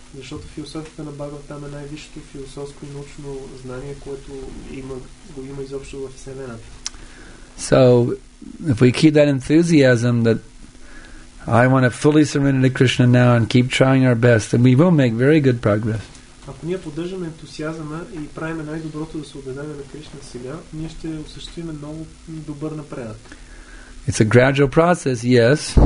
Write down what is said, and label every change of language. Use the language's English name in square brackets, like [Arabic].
[Bulgarian] Защото философията на Бхагаватам е най-висшето философско и научно знание, което го има изобщо във Вселената. [English] So if we keep that enthusiasm that I want to fully surrender to Krishna now and keep trying our best, then we will make very good progress. [Bulgarian] Ако ние поддържаме ентусиазма и правим най-доброто да се убедим на Кришна сега, ние ще осъществим много добър напредък. [English] It's a gradual process, yes.